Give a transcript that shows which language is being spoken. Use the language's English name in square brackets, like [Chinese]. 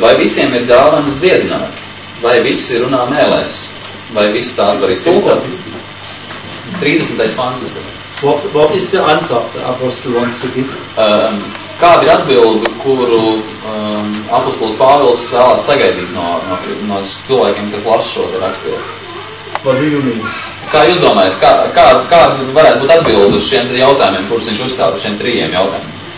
[Latvian] Vai visiem ir dāvanas dziedināt? Vai visi runā mēlēs? Vai visi tās var iztulkot? 30. pāns. [English] What is the answer the apostle wants to give? [Latvian] Kāda ir atbilde, kuru apostols Pāvils vēlas sagaidīt no cilvēkiem, kas lasa šo rakstu? [English] What do you mean? [Latvian] Kā jūs domājat, kā varētu būt atbilde uz šiem jautājumiem, kurus viņš uzstāv, šiem trījiem jautājumiem?